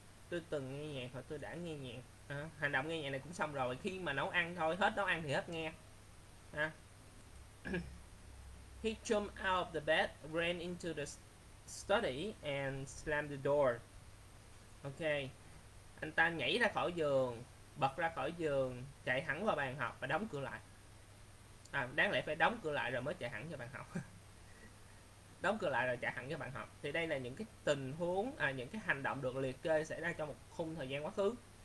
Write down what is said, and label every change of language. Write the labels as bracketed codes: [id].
[vi] Tôi từng nghe nhạc hoặc tôi đã nghe nhạc. À, hành động nghe nhạc này cũng xong rồi, khi mà nấu ăn thôi, hết nấu ăn thì hết nghe. Ha. [en] He jumped out of the bed, ran into the study and slammed the door. Ok. [vi] Anh ta nhảy ra khỏi giường, bật ra khỏi giường, chạy thẳng vào bàn học và đóng cửa lại. À, đáng lẽ phải đóng cửa lại rồi mới chạy thẳng vào bàn học. Đóng cửa lại rồi chạy thẳng vào bàn học. Thì đây là những cái tình huống, những cái hành động được liệt kê xảy ra trong một khung thời gian quá khứ.